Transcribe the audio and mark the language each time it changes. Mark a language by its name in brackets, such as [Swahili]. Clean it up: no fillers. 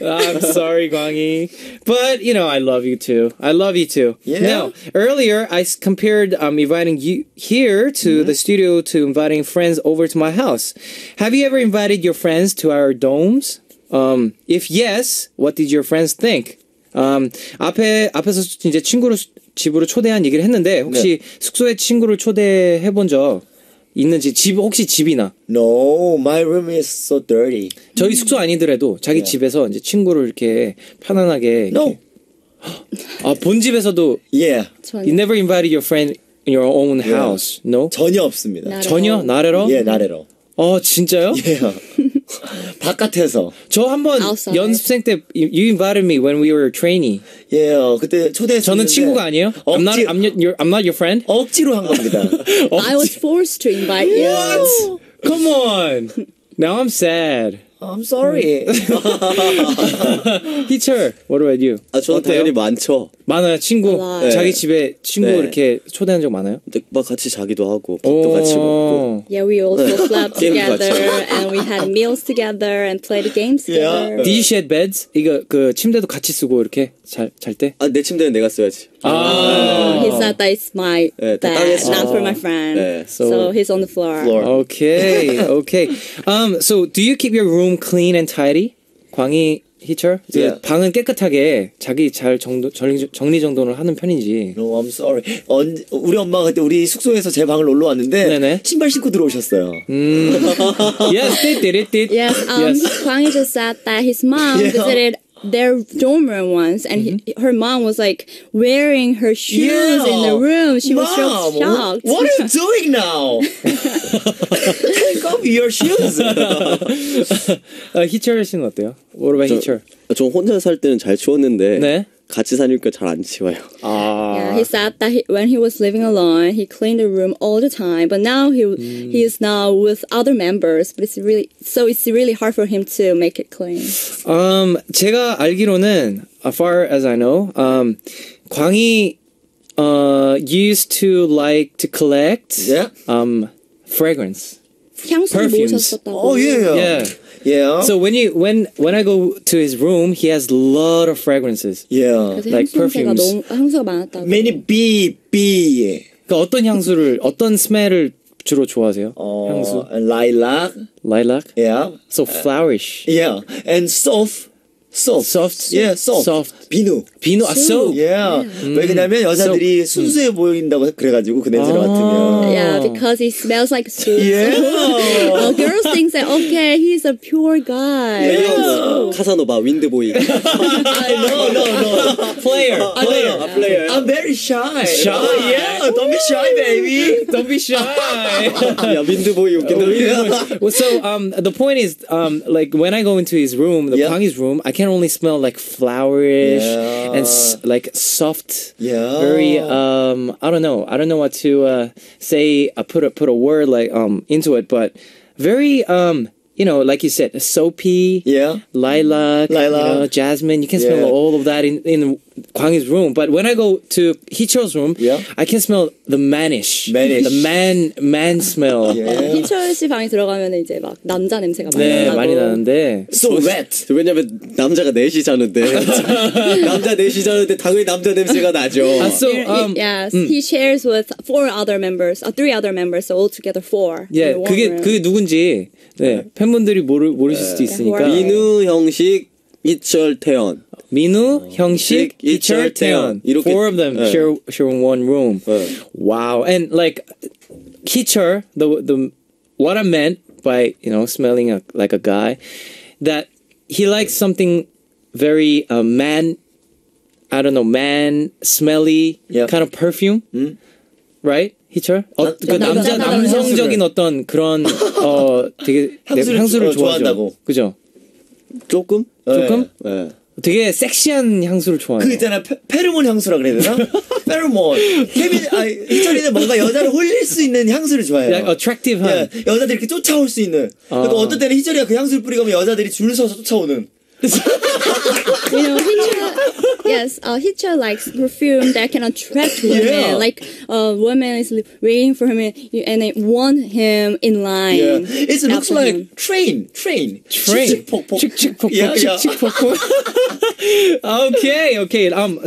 [English] I'm sorry, Kwanghee. But, you know, I love you too. I love you too. Yeah. Now, earlier, I compared inviting you here to mm-hmm. the studio to inviting friends over to my house. Have you ever invited your friends to our domes? If yes, what did your friends think? [Korean] 앞에서 이제 친구를 집으로 초대한 얘기를 했는데 혹시 네. 숙소에 친구를 초대해 본 적 있는지 집 혹시 집이나 [English] No, my room is so dirty. [Korean] 저희 숙소 아니더라도 자기 yeah. 집에서 이제 친구를 이렇게 편안하게 [English] No. [Korean] 아, 본 집에서도 [English] Yeah. [Korean] 전혀. [English] You never invited your friend in your own house. Yeah. No. [Korean] 전혀 없습니다. 나래로. 전혀 나래로? 예, yeah, 나래로. 어, 진짜요? Yeah. 바깥에서 저 한번 연습생 때 [English] you invited me when we were training. [Korean] 예, yeah, 그때 초대해서 저는 친구가 아니에요. 억지, [English] I'm not your friend. [Korean] 억지로 한 겁니다. [English] I was forced to invite you. What? Come on. Now I'm sad. I'm sorry. Heecheol, what about you? [Korean] 아, 저 대연이 많죠. 많아요, 친구. 네. 자기 집에 친구 네. 이렇게 초대한 적 많아요? 네, 막 같이 자기도 하고 밥도 같이 먹고. [English] Yeah, we also slept together and we had meals together and played games together. Yeah. Did you share beds? [Korean] 이거 그 침대도 같이 쓰고 이렇게 잘 때? 아, 내 침대는 내가 써야지. 아. [English] He said that it's my bed, 네, not for my friend. 네. So he's on the floor. Okay, okay. So do you keep your room clean and tidy? 광희 Heecheol, yeah. [Korean] 방은 깨끗하게 자기 잘 정리 정돈을 하는 편인지. [English] No, I'm sorry. [Korean] 우리 엄마가 그때 우리 숙소에서 제 방을 놀러 왔는데 네네. 신발 신고 들어오셨어요. [English] yes, they did it. Did. Yes, Kwanghee just said that his mom yeah. visited their dorm room once, and mm-hmm. her mom was like wearing her shoes yeah. in the room. She mom, was so shocked. What are you doing now? Take off your shoes. [Korean] Heecheol 씨는 어때요? [English] What about Heecheol? [Korean] 저 혼자 살 때는 잘 치웠는데 네? 같이 사니까 잘 안 치워요. 아. [English] Yeah, he said that when he was living alone, he cleaned the room all the time. But now he is now with other members. But it's really hard for him to make it clean. [Korean] 제가 알기로는 [English] as far as I know, 광희 used to like to collect yeah. Fragrance. [Korean] 향수 모으셨었다고. [English] Oh yeah. Yeah. yeah. Yeah. So when I go to his room, he has a lot of fragrances. Yeah. Like perfumes. [Korean] 향수가 많았다고. [English] Many bee. [Korean] 그러니까 어떤 향수를 어떤 스멜을 주로 좋아하세요? 향수. [English] Lilac. Lilac. Yeah. So flowerish. Yeah. And soft. Soft. Yeah. Soft. [Korean] 비누. [English] 비누. Soap. Soap. Yeah. Yeah. [Korean] 왜냐면 여자들이 [English] soap. [Korean] 순수해 보인다고 그래가지고 그 냄새를 맡으면. [English] Yeah, because he smells like soap. Yeah. well, girls think that okay, he's a pure guy. Yeah. yeah. 카사노바, 윈드보이. No. Player. Player. A player. I'm very shy. Shy. Oh, yeah. Ooh. Don't be shy, baby. Don't be shy. [Korean] yeah, 윈드보이 웃긴다. [English] well, so the point is, like when I go into his room, the yeah. Kwanghee's room, I can only smell like flowerish yeah. and like soft. Yeah. Very. I don't know. I don't know what to say. Put a word like into it, but very. You know, like you said, soapy, yeah, lilac. You know, jasmine. You can smell yeah. all of that in Kwanghee's room. But when I go to Heecheol's room, yeah. I can smell the mannish, the man smell. [Korean] Heecheol 씨 방에 들어가면 이제 막 남자 냄새가 많이 나고. 네, 많이 나는데. [English] So wet. [Korean] 왜냐면 남자가 넷이 자는데 남자 넷이 자는데 당연히 남자 냄새가 나죠. [English] So yes, he shares with four other members, three other members, so all together four. [Korean] Yeah, 그게 누군지. 네, 팬분들이 모르실 수도 있으니까. 민우 형식 Heecheol 태연. 민우 형식 Heecheol 태연. 이렇게 [English] four of them share one room. Wow. And like Heecheol the what I meant by, you know, smelling like a guy that he likes something very man I don't know, man smelly kind of perfume. Right? Heecheol? [Korean] 그 남자 남성적인 어떤 그런 되게 향수를 좋아한다고. 그죠? 조금? 조금? 예. 네. 되게 섹시한 향수를 좋아해요. 그 있잖아. 페르몬 향수라 그래야 되나? 페르몬. 케빈 아이 히철이는 뭔가 여자를 홀릴 수 있는 향수를 좋아해요. 약간 attractive한. 예, 여자들이 이렇게 쫓아올 수 있는. 그러니까 어떤 때는 히철이가 그 향수를 뿌리면 여자들이 줄 서서 쫓아오는. [English] you know, Yes, Heecheol likes perfume that can attract women. Yeah. Like a woman is waiting for him and they want him in line. Yeah. It looks like train. Train. Okay.